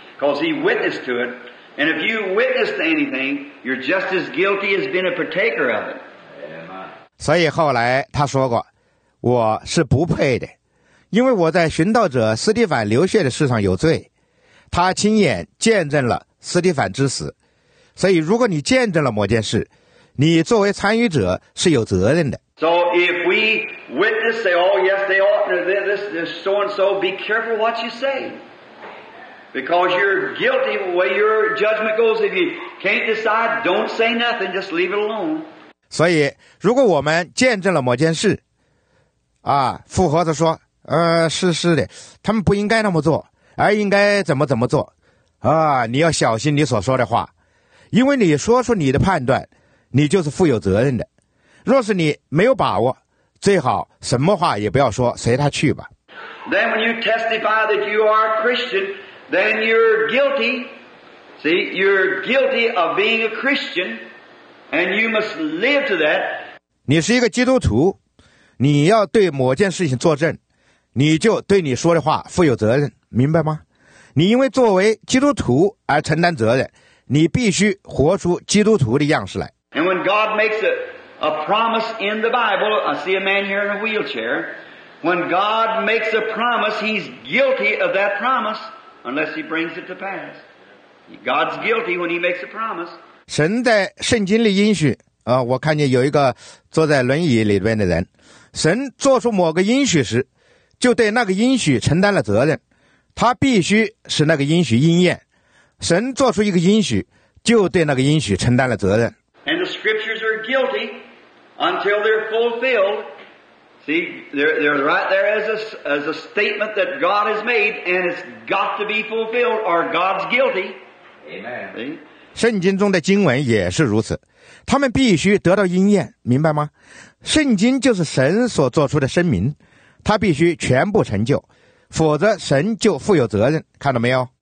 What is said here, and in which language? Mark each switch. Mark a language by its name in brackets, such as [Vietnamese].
[English] Because he witnessed to it. And if you witness to anything, you're just as guilty as being a partaker of it. [Chinese] 所以后来他说过，我是不配的，因为我在殉道者斯蒂凡流血的事上有罪。他亲眼见证了斯蒂凡之死。所以如果你见证了某件事，你作为参与者是有责任的。 [English] So if we witness, say, oh yes, they ought to do this, this, so and so, be careful what you say. Because you're guilty the way your judgment goes. If you can't decide, don't say nothing, just leave it alone. [Chinese] 所以如果我们见证了某件事，复合的说，是是的，他们不应该那么做，而应该怎么怎么做，你要小心你所说的话。因为你说出你的判断，你就是负有责任的。若是你没有把握，最好什么话也不要说，随他去吧。 [English] Then when you testify that you are a Christian, then you're guilty. See, you're guilty of being a Christian. And you must live to that. [Chinese] 你是一个基督徒，你要对某件事情作证，你就对你说的话负有责任，明白吗？你因为作为基督徒而承担责任，你必须活出基督徒的样式来。 [English] And when God makes a promise in the Bible, I see a man here in a wheelchair. When God makes a promise, he's guilty of that promise unless he brings it to pass. God's guilty when he makes a promise. [Chinese] 神在圣经里应许啊，我看见有一个坐在轮椅里边的人，神做出某个应许时，就对那个应许承担了责任，他必须使那个应许应验。神做出一个应许，就对那个应许承担了责任。 [English] And the scriptures are guilty until they're fulfilled. See, they're right there as a statement that God has made, and it's got to be fulfilled, or God's guilty. Amen. [Chinese] 圣经中的经文也是如此，他们必须得到应验，明白吗？圣经就是神所做出的声明，他必须全部成就，否则神就负有责任，看到没有？